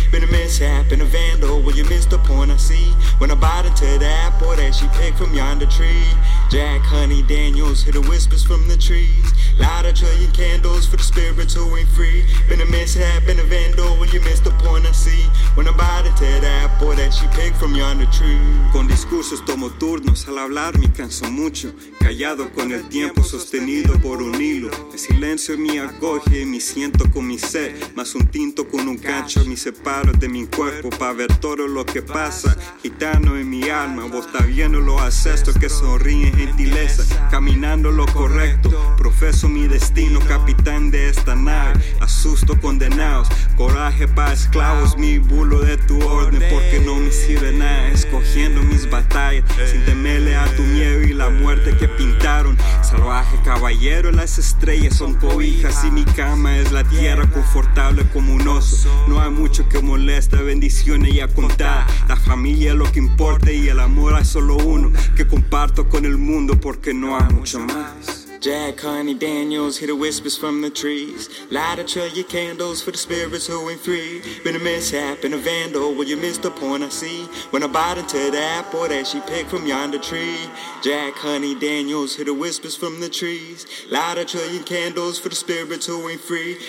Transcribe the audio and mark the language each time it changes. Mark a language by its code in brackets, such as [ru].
[en] Been a mishap and a vandal, well you missed the point I see. When I bite into that boy that she picked from yonder tree. Jack, honey, Daniels, hear the whispers from the trees. Light a trail your candles for the spirits who ain't free. Been a mishap and a vandal, well you missed the point I see. When I bite into that boy that she picked from yonder tree. [es] Con discursos tomo turnos, al hablar me canso mucho. Callado con el tiempo, sostenido por un hilo. El silencio me acoge, me siento con mi ser. Más un tinto con un cacho, me separo de mi cuerpo. Pa' ver todo lo que pasa, gitano en mi alma. Vos está viendo los ancestros que sonríen gentileza. Caminando lo correcto, profeso mi destino. Capitán de esta nave, asusto condenados. Coraje pa' esclavos, mi bulo de tu orden. Porque no me sirve nada, escogiendo mis batallas. Sin temerle a tu miedo y la muerte que pintaron. Salvaje caballero, las estrellas son cobijas. Y mi cama es la tierra, confortable como un oso. No hay mucho que moleste, bendiciones ya contadas. La familia es lo que importa y el amor hay solo uno. Que comparto con el mundo porque no hay mucho más. [en] Jack, honey, Daniels, hear the whispers from the trees. Light a trail your candles for the spirits who ain't free. Been a mishap and a vandal, well you missed the point I see. When I bite into that boy that she picked from yonder tree. Jack, honey, Daniels, hear the whispers from the trees. Light a trail your candles for the spirits who ain't free.